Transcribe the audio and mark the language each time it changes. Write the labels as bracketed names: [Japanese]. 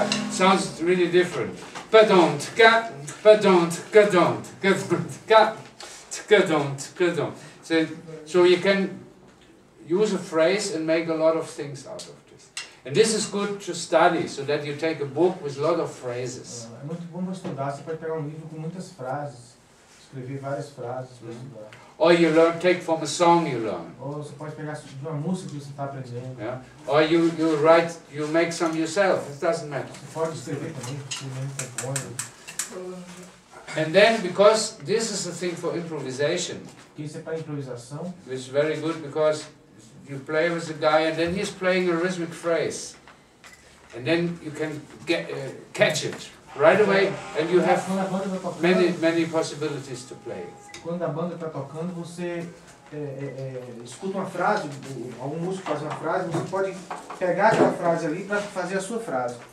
[English] Sounds really different. Padont, ka, padont, kadont, kadont, ka, kadont, kadont. So you can use a phrase and make a lot of things out of this. And this is good to study, so that you take a book with a lot of phrases. [Portuguese] É muito bom estudar, você pode pegar um livro com muitas frases, escrever várias frases para estudar. [English] Or you learn, take from a song you learn. [Portuguese] Ou você pode pegar de uma música que você está aprendendo. [English] Yeah. Or you write, you make some yourself. It doesn't matter. [Portuguese] Você pode escrever também, simplesmente é bom. [English] And then, because this is a thing for improvisation. [Portuguese] Isso é para improvisação. [English] It's very good because you play with a guy and then he's playing a rhythmic phrase, and then you can get catch it. Right away, and you have many possibilities to play. [Portuguese] Quando a banda está tocando, você escuta uma frase, algum músico faz uma frase, você pode pegar aquela frase ali para fazer a sua frase.